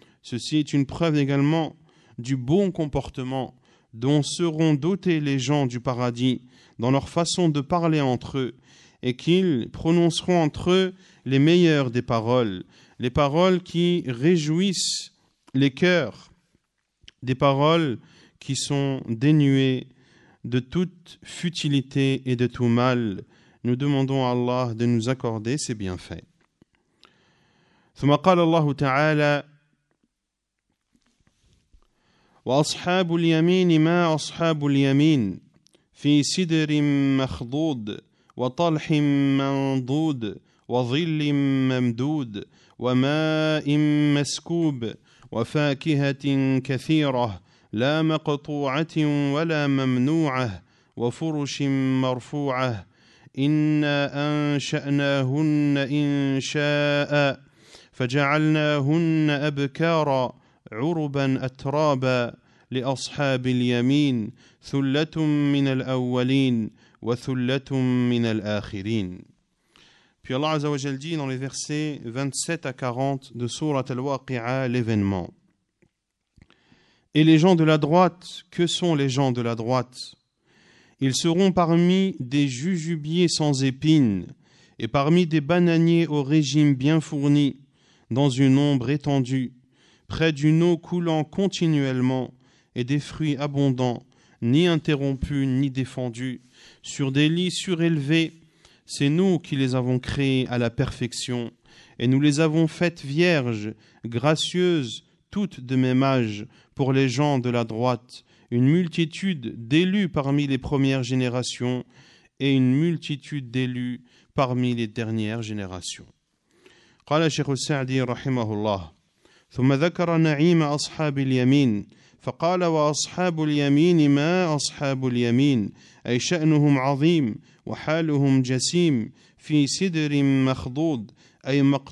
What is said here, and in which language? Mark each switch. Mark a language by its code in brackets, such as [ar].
[fr] Ceci est une preuve également du bon comportement dont seront dotés les gens du paradis dans leur façon de parler entre eux et qu'ils prononceront entre eux les meilleures des paroles, les paroles qui réjouissent les cœurs, des paroles qui sont dénuées de toute futilité et de tout mal. Nous demandons à Allah de nous accorder ses bienfaits. [ar] ثم قال الله تعالى وأصحاب اليمين ما أصحاب اليمين في سدر مخضود وطلح منضود وظل ممدود وماء مسكوب وفاكهة كثيرة لا مقطوعة ولا ممنوعة وفرش مرفوعة إنا أنشأناهن إن شاء فجعلناهن أبكارا عربا أترابا لأصحاب اليمين ثلة من الأولين وثلة من الآخرين. [fr] Puis Allah Azza wa Jal dit dans les versets 27 à 40 de Sourate Al-Waqi'a l'événement. Et les gens de la droite, que sont les gens de la droite? Ils seront parmi des jujubiers sans épines et parmi des bananiers au régime bien fourni, dans une ombre étendue, près d'une eau coulant continuellement et des fruits abondants, ni interrompus ni défendus, sur des lits surélevés. C'est nous qui les avons créés à la perfection et nous les avons faites vierges, gracieuses, toutes de même âge pour les gens de la droite, une multitude d'élus parmi les premières générations et une multitude d'élus parmi les dernières générations. [ar] قال شيخ السعدي رحمه الله ثم ذكر نعيم أصحاب اليمين فقال وأصحاب اليمين ما أصحاب اليمين أي شأنهم عظيم وحالهم جسيم في سدر مخضود أي